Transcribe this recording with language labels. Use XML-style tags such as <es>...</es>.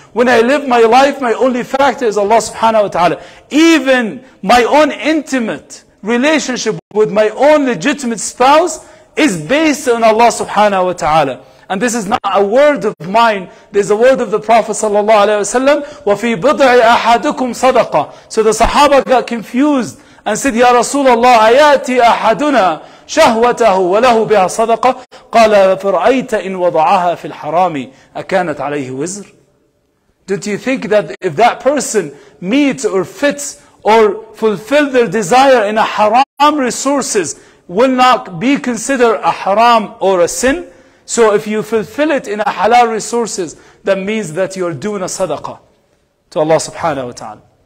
<en>When I live my life, my only factor is Allah subhanahu wa ta'ala. Even my own intimate relationship with my own legitimate spouse is based on Allah subhanahu wa ta'ala. And this is not a word of mine. This is a word of the Prophet sallallahu alayhi wa sallam.</en> <ar>وَفِي بِضْعِ أَحَدُكُمْ صَدَقَةً.</ar> <en>So the Sahaba got confused and said,</en> <ar>يَا رَسُولَ اللَّهِ أَيَاتِ أَحَدُنَا شَهْوَتَهُ وَلَهُ بِهَا صَدَقَةً. قَالَ فَرْأَيْتَ إِنْ وَضَعَهَا فِي الْحَرَامِ أَكَانَتْ عَلَيْهِ وِزْرٌ.</ar> <en>Don't you think that if that person meets or fits or fulfills their desire in a haram resources, will not be considered a haram or a sin? So if you fulfill it in a halal resources, that means that you're doing a sadaqah to Allah subhanahu wa ta'ala.</en>